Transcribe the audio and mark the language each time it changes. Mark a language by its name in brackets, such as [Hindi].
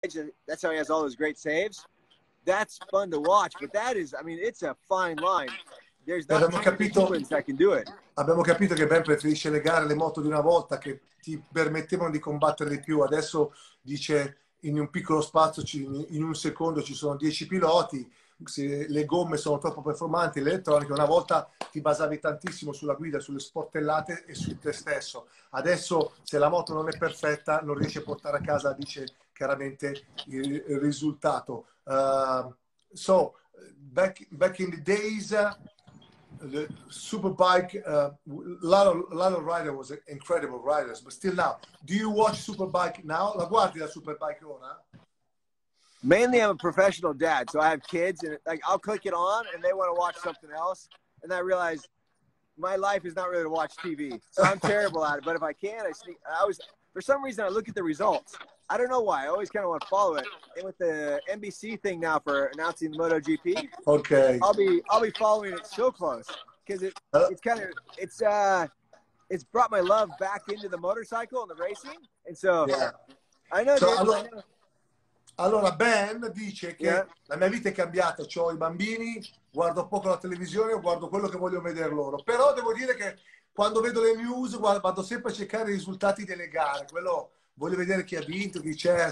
[English] That's how he has all those great saves. That's fun to watch, but that is, I mean, it's a fine line. There's not [Italian] abbiamo capito, [English] humans that can do it. [Italian] Abbiamo capito che Ben preferisce le gare, le moto di una volta che ti permettevano di combattere di più. Adesso dice in un piccolo spazio, in un secondo ci sono 10 piloti. Se le gomme sono troppo performanti, l'elettronica, una volta ti basavi tantissimo sulla guida, sulle sportellate e su te stesso. Adesso, se la moto non è perfetta, non riesci a portare a casa, dice chiaramente, il risultato. [English] So, back in the days, the superbike, a lot of riders was incredible riders, but still now, do you watch superbike now? [Italian] La guardi la superbike ora? [English] Mainly, I'm a professional dad, so I have kids, and like I'll click it on, and they want to watch something else, and I realize my life is not really to watch TV, so I'm terrible at it. But if I can, I see. I was for some reason I look at the results. I don't know why. I always kind of want to follow it. And with the NBC thing now for announcing the MotoGP, okay, I'll be following it so close because it's brought my love back into the motorcycle and the racing, and so yeah. I know. So dude, [Italian] Allora, Ben dice che la mia vita è cambiata, c'ho i bambini, guardo poco la televisione, guardo quello che voglio vedere loro. Però devo dire che quando vedo le news, guardo, vado sempre a cercare i risultati delle gare. Quello voglio vedere chi ha vinto, chi c'è.